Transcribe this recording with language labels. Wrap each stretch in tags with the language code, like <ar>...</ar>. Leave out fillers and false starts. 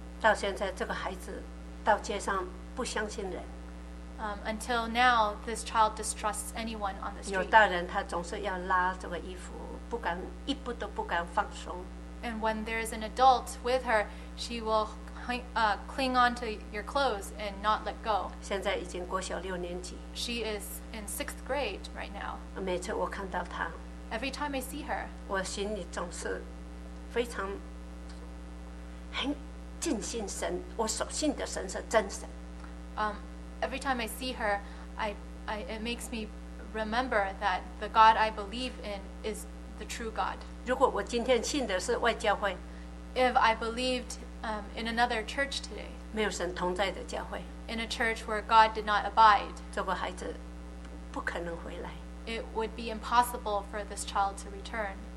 <zh>到现在，这个孩子到街上不相信人。</zh> <en>Until now, this child distrusts anyone on the street.</en> <zh>有大人，他总是要拉这个衣服，不敢一步都不敢放松。</zh> <en>And when there is an adult with her, she will cling on to your clothes and not let go.</en> <zh>现在已经国小六年级。</zh> <en>She is in sixth grade right now.</en> <zh>每次我看到她。</zh> <en>Every time I see her.</en> <zh>我心里总是非常很敬信神，我所信的神是真神。</zh> <en>Every time I see her, it makes me remember that the God I believe in is the true God.</en> <zh>如果我今天信的是外教会。</zh> <en>If I believed in another church today,</en> <zh>没有神同在的教会,</zh> <en>in a church where God did not abide,</en> <zh>这个孩子不可能回来,</zh> <en>it would be impossible for this child to return.</en>